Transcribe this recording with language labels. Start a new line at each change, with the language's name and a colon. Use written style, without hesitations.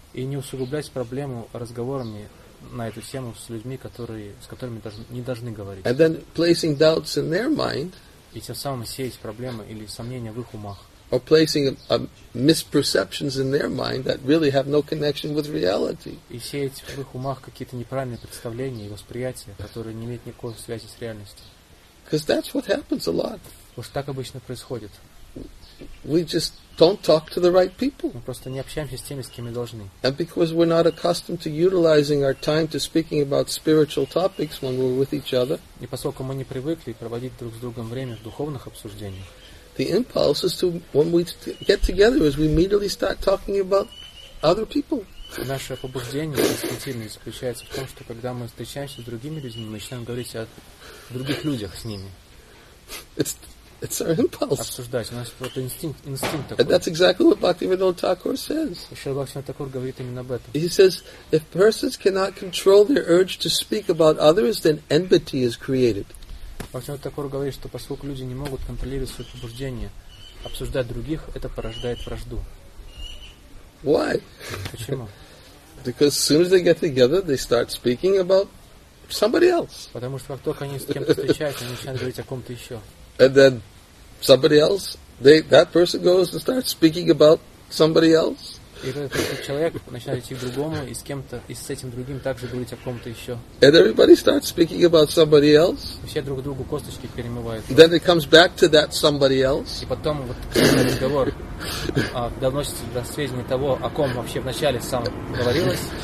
Russian: И не усугублять проблему разговорами на эту тему с людьми, с которыми не должны говорить.
English: And then placing doubts in their mind.
Russian: И тем самым сеять проблемы или сомнения в их умах.
English: Or placing misperceptions in their mind that really have no connection with reality.
Russian: И сеять в их умах какие-то неправильные представления и восприятия, которые не имеют никакой связи с реальностью.
English: Because that's what happens a lot.
Russian: Уж так обычно происходит.
English: We just don't talk to the right people.
Russian: Мы просто не общаемся с теми, с кем мы должны.
English: And because we're not accustomed to utilizing our time to speaking about spiritual topics when we're with each other.
Russian: И поскольку мы не привыкли проводить друг с другом время в духовных обсуждениях.
English: The impulse is to, when we get together, is we immediately start talking about other people.
Russian: Наше побуждение инстинктивное заключается в том, что когда мы встречаемся с другими людьми, мы начинаем говорить о других людях с ними.
English: It's our impulse.
Russian: Обсуждать. У нас просто инстинкт такой.
English: And that's exactly what Bhaktivinoda Thakur says.
Russian: Шрила Бхактивинода Такур говорит именно об этом.
English: He says, if persons cannot control their urge to speak about others, then enmity is created.
Russian: Бхактивинода Такур говорит, что поскольку люди не могут контролировать свое побуждение, обсуждать других, это порождает вражду.
English: Why?
Russian: Почему?
English: Because as soon as they get together, they start speaking about somebody else.
Russian: Потому что как только они с кем-то встречаются, они начинают говорить о ком-то еще.
English: And then somebody else, that person goes and starts speaking about somebody else.
Russian: И этот человек начинает идти к другому и с кем-то, и с этим другим также говорить о ком-то еще.
English: And everybody starts speaking about somebody else.
Russian: И все друг другу косточки перемывают.
English: Then it comes back to that somebody else.
Russian: И потом вот разговор доносится до сведения того, о ком вообще вначале сам говорилось.